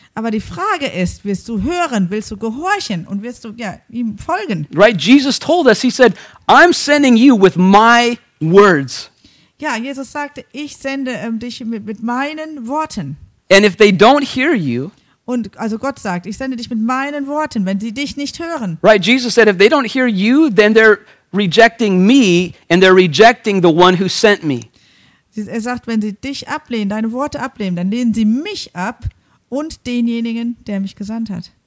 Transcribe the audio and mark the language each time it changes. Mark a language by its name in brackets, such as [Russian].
[German] Aber die Frage ist, willst du hören, willst du gehorchen und willst du ja, ihm folgen? [English] Right, Jesus told us, he said, I'm sending you with my words. [German] Ja, Jesus sagte, ich sende dich mit meinen Worten. [English] And if they don't hear you, [German] und also Gott sagt, ich sende dich mit meinen Worten, wenn sie dich nicht hören. [English] Right, Jesus said, if they don't hear you, then they're rejecting me and they're rejecting the one who sent me. [German] Er sagt, wenn sie dich ablehnen, deine Worte ablehnen, dann lehnen sie mich ab. Und denjenigen, der mich gesandt hat.